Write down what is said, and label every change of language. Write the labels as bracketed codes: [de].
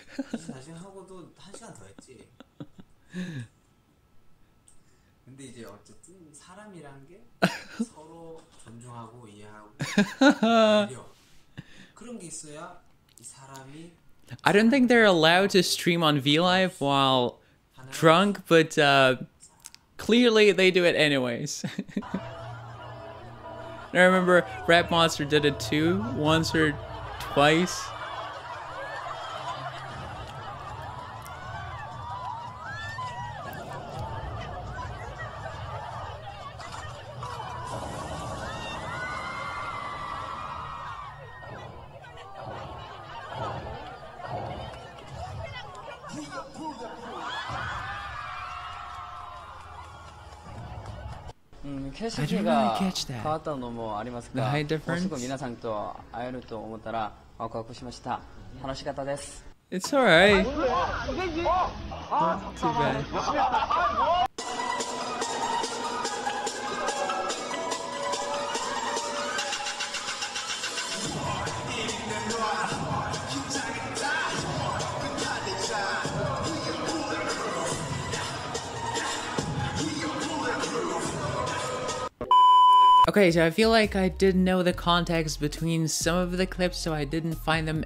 [ko] 24시간 하고도 1시간 더 했지. 근데 이제 어쨌든 사람이란 게 서로 존중하고 이해하고 배려 그런 게 있어야 이 사람이 [en] I don't think they're allowed to stream on VLive while drunk, but clearly, they do it anyways. I remember Rap Monster did it too, once or twice. Pull the [ja] 景色が変わったのもありますか? [en] The high difference? [ja] もうすぐ皆さんと会えると思ったら ワクワクしました 楽しかったです [en] It's alright Not too bad Okay, so I feel like I didn't know the context between some of the clips, so I didn't find them